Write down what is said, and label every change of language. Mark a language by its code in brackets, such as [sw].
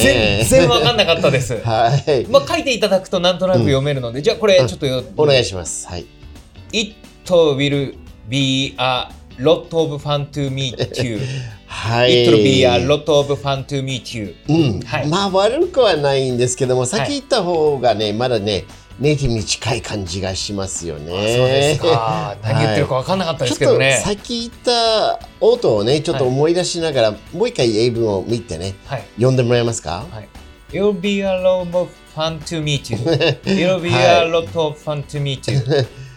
[ja] 全然分かんなかったです。はい、まあ、書いていただくとなんとなく読めるので、うん、じゃあこれちょっと読んで、うん、お願いします。はい、 [en] It will be a lot of fun to meet you. 、 [ja] はい、 [en] It will be a lot of fun to meet you.、 [ja] うん、はい、まあ悪くはないんですけども、先言った方がね、はい、まだね、ネイティブに近い感じがしますよね。あ、そうですか。何言ってるか分かんなかったですけどね。はい、ちょっと先言った音をね、ちょっと思い出しながら、はい、もう一回英文を見てね、はい、読んでもらえますか。 [en] はい、It will be a lot of fun to meet you. It will be a lot of fun to meet you. 、はい、